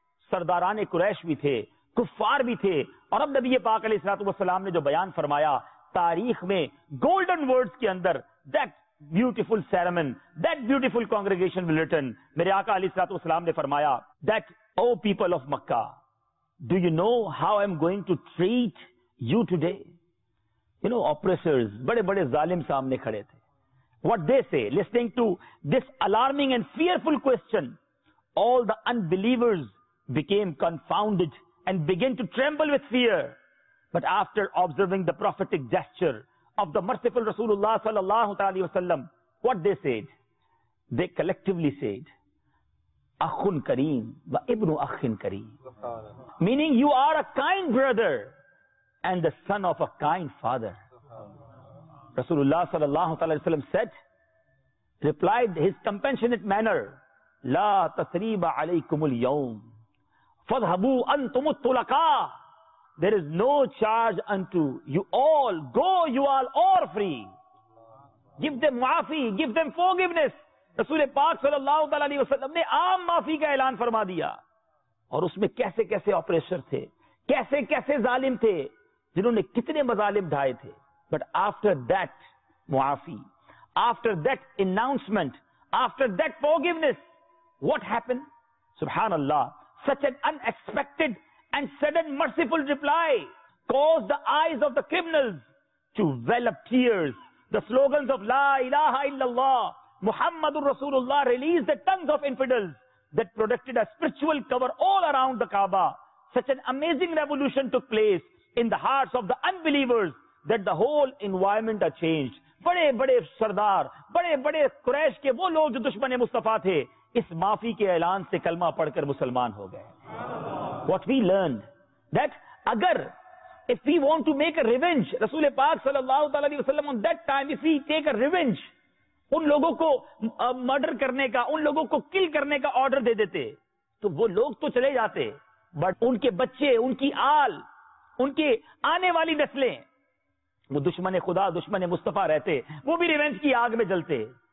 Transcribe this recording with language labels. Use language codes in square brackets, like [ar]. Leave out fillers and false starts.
[ur] سرداران قریش بھی تھے, کفار بھی تھے, اور اب نبی پاک علیہ الصلوۃ والسلام نے جو بیان فرمایا تاریخ میں [en] golden words [ur] کے اندر, [en] That beautiful sermon, that beautiful congregation will return. [ur] میرے آقا علیہ الصلوۃ والسلام نے فرمایا [en] That O people of Mecca do you know how I am going to treat you today. You know oppressors, [ur] بڑے بڑے ظالم سامنے کھڑے تھے. [en] What they say, listening to this alarming and fearful question, all the unbelievers became confounded and began to tremble with fear. But after observing the prophetic gesture of the merciful Rasulullah sallallahu alayhi wa sallam, what they said? They collectively said, [ar] Akhun Kareem wa ibnu akhin Kareem. [en] Meaning you are a kind brother and the son of a kind father. Rasulullah sallallahu alayhi wa sallam said, replied his compassionate manner, [ar] لا تثریب علیکم اليوم فذهبوا انتم الطلقاء, [en] there is no charge unto you all, go you all are free, give them معافی, give them forgiveness. [ur] رسول پاک صلی اللہ علیہ وسلم نے عام معافی کا اعلان فرما دیا, اور اس میں کیسے کیسے آپریشر تھے, کیسے کیسے ظالم تھے, جنہوں نے کتنے مظالم ڈھائے تھے. [en] But after that معافی, after that announcement, after that forgiveness, what happened? Subhanallah, such an unexpected and sudden merciful reply caused the eyes of the criminals to well up tears. The slogans of La ilaha illallah, Muhammadur Rasulullah released the tongues of infidels that protected a spiritual cover all around the Kaaba. Such an amazing revolution took place in the hearts of the unbelievers that the whole environment had changed. [ur] بڑے بڑے سردار, بڑے بڑے قریش کے وہ لوگ جو دشمن مصطفیٰ تھے, اس معافی کے اعلان سے کلمہ پڑھ کر مسلمان ہو گئے. [en] What we learned, that [ur] اگر [en] if we want to make a revenge, [ur] رسول پاک صلی اللہ علیہ وسلم [en] on that time, if we take a revenge, [ur] ان لوگوں کو مرڈر کرنے کا, ان لوگوں کو کل کرنے کا آرڈر دے دیتے, تو وہ لوگ تو چلے جاتے, بٹ ان کے بچے, ان کی آل, ان کے آنے والی نسلیں, وہ دشمن خدا, دشمن مصطفیٰ رہتے, وہ بھی ریونج کی آگ میں جلتے.